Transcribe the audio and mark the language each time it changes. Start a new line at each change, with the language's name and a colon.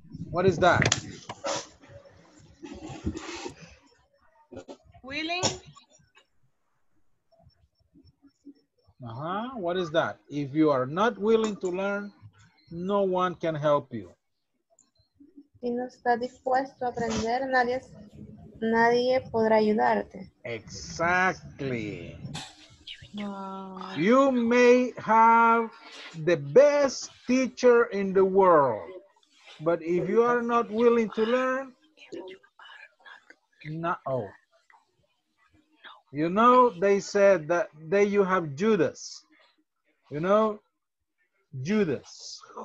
English: What is that? Willing. Uh-huh. What is that? If you are not willing to learn, no one can help you.
Spanish: Si no está dispuesto a aprender, nadie podrá ayudarte.
English: Exactly. You may have the best teacher in the world, but if you are not willing to learn, you know, they said that there you have Judas, you know, Judas.